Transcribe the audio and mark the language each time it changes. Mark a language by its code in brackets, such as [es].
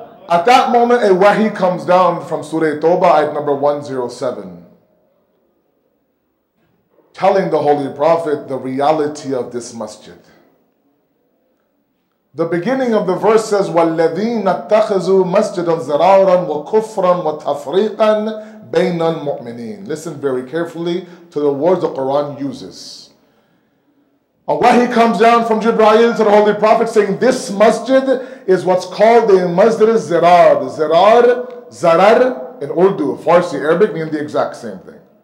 [en] At that moment, a wahi comes down from Surah Tawbah, ayat number 107, telling the Holy Prophet the reality of this masjid. The beginning of the verse says, [ar] وَالَّذِينَ اتَّخَذُوا مَسْجِدًا زَرَارًا وَكُفْرًا وَتَفْرِيقًا بَيْنَ الْمُؤْمِنِينَ. [en] Listen very carefully to the words the Quran uses. A wahi comes down from Jibreel to the Holy Prophet saying, this masjid is what's called the Masjid al-Zirar. Zirar, Zarar in Urdu, Farsi, Arabic mean the exact same thing.